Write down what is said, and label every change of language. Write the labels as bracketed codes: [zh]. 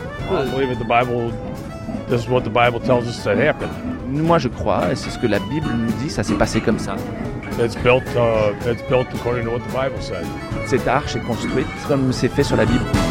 [en] I believe that the Bible, this is what the Bible tells us to happen. [fr] Moi, je crois, et c'est ce que la Bible nous dit, ça s'est passé comme ça. [en] It's built according to what the Bible said. [fr] Cette arche est construite comme c'est fait sur la Bible.